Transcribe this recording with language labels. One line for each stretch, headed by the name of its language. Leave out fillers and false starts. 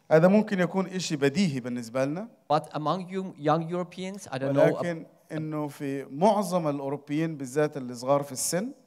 Arabic: هذا ممكن يكون إشي بديهي بالنسبة لنا.
English: But among you young Europeans, I don't
Arabic: ولكن
English: know.
Arabic: ولكن إنه في معظم الأوروبيين بالذات اللي صغار في السن.